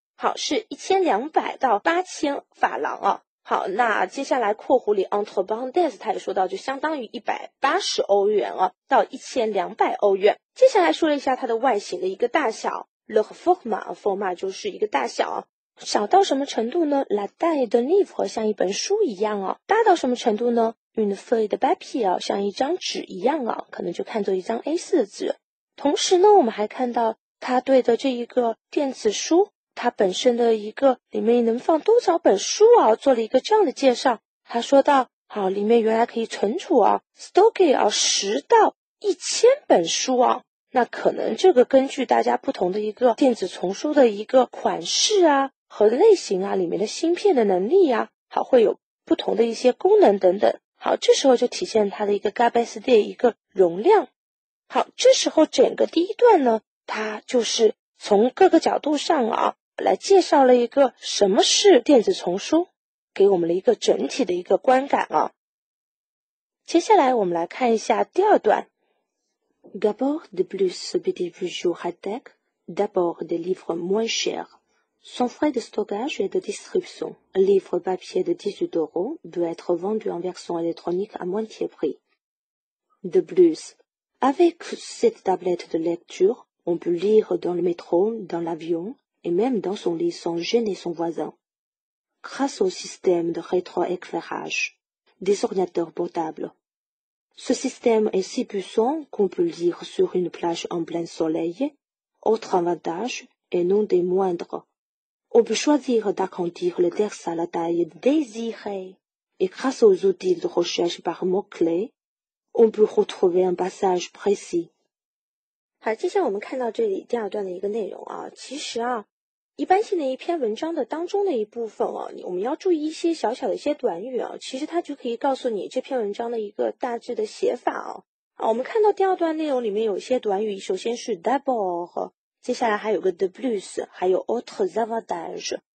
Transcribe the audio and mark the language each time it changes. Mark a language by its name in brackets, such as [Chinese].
[Chinese] 好，是1200到8000法郎啊。好，那接下来括弧里 [French] entre bandes [Chinese] 他也说到，就相当于180欧元啊到1200欧元。接下来说了一下它的外形的一个大小。 [French] Le format [Chinese] 就是一个大小，小到什么程度呢？ [French] La taille d'un livre [Chinese] 像一本书一样哦。大到什么程度呢？ [French] Une feuille de papier [Chinese] 像一张纸一样哦，可能就看作一张 A4 的纸。同时呢，我们还看到他对的这一个电子书，它本身的一个里面能放多少本书啊，做了一个这样的介绍。他说到，好，里面原来可以存储啊 ，stocke 啊，10到1000本书啊。那可能这个根据大家不同的一个电子丛书的一个款式啊和类型啊，里面的芯片的能力啊，好，会有不同的一些功能等等。好，这时候就体现它的一个 capacity 一个容量。好，这时候整个第一段呢，它就是从各个角度上啊来介绍了一个什么是电子丛书，给我们了一个整体的一个观感啊。接下来我们来看一下第二段。 [French] D'abord de plus ce petit bijou high-tech, d'abord des livres moins chers. Son frais de stockage et de distribution, un livre papier de 18 euros, doit être vendu en version électronique à moitié prix. De plus, avec cette tablette de lecture, on peut lire dans le métro, dans l'avion, et même dans son lit sans gêner son voisin. Grâce au système de rétroéclairage, des ordinateurs portables,Ce système est si puissant qu'on peut lire sur une plage en plein soleil. Autre avantage, et non des moindres, on peut choisir d'agrandir le texte à la taille désirée. Et grâce aux outils de recherche par mots-clés, on peut retrouver un passage précis. [Chinese] 好，接下来我们看到这里第二段的一个内容啊。其实啊，一般性的一篇文章的当中的一部分啊，我们要注意一些小小的一些短语啊，其实它就可以告诉你这篇文章的一个大致的写法啊。啊，我们看到第二段内容里面有一些短语，首先是 d'abord， 接下来还有个 de plus， 还有 autre avantage。